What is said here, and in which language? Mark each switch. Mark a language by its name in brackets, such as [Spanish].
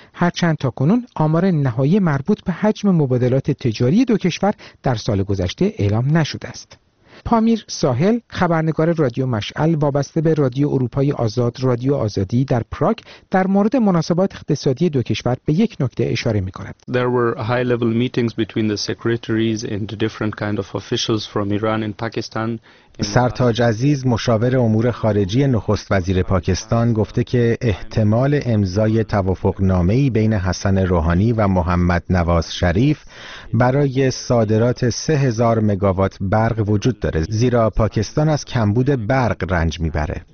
[Persian] هرچند تا کنون آمار نهایی مربوط به حجم مبادلات تجاری دو کشور در سال گذشته اعلام نشده است. پامیر ساحل، خبرنگار رادیو مشعل وابسته به رادیو اروپای آزاد، رادیو آزادی در پراگ، در مورد مناسبات اقتصادی دو کشور به یک نکته اشاره می‌کند. [English] There were high level meetings between the secretaries and different kind of officials from Iran and Pakistan. [Persian] سرتاج عزیز، مشاور امور خارجی نخست وزیر پاکستان، گفته که احتمال امضای توافقنامه‌ای بین حسن روحانی و محمد نواز شریف برای صادرات 3000 مگاوات برق وجود داره، زیرا پاکستان از کمبود برق رنج می‌بره.